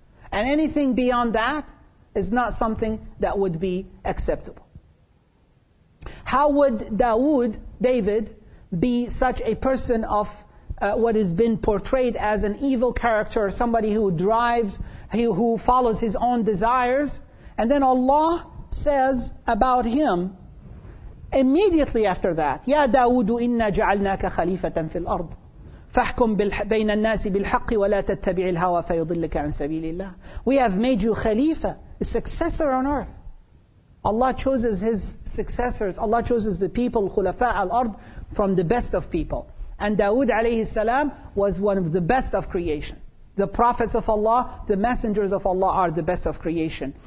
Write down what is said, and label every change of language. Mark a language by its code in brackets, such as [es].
[en] And anything beyond that is not something that would be acceptable. How would Dawood, David, be such a person of what has been portrayed as an evil character, somebody who drives, who follows his own desires? And then Allah says about him, immediately after that, [ar] يَا دَاوُدُ إِنَّا جَعَلْنَاكَ خَلِيفَةً فِي الْأَرْضِ فَاحْكُمْ بَيْنَ النَّاسِ بِالْحَقِّ وَلَا تَتَّبِعِ الْهَوَى فَيُضِلِّكَ عَنْ سَبِيلِ اللَّهِ. [en] We have made you Khalifa, a successor on earth. Allah chooses His successors. Allah chooses the people, [ar] خلفاء الأرض, [en] from the best of people. And Dawood alayhi salam was one of the best of creation. The prophets of Allah, the messengers of Allah are the best of creation.